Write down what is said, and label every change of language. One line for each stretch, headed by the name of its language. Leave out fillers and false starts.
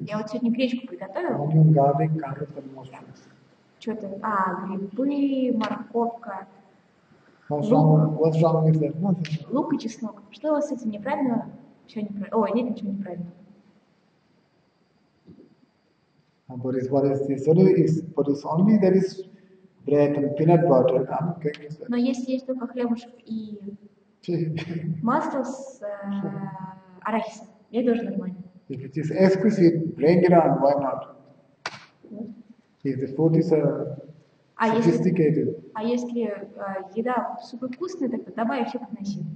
Russian: Я вот сегодня гречку приготовила.
English: Onion, garlic, carrot and mushrooms.
Russian: Что-то, а, грибы, морковка.
English: What's wrong with that? Nothing.
Russian: Лук и чеснок. Что у вас с этим неправильно? Все неправильно. О, нет, ничего неправильного.
English: But it's what is this? But it's only there is bread and peanut butter. I'm okay with that.
Russian: Но если есть только хлебушек и масло с арахисом, я тоже нормально.
English: If it is exquisite, bring it on. Why not? If the food is sophisticated.
Russian: А если еда супер вкусная, так добавь еще подноси.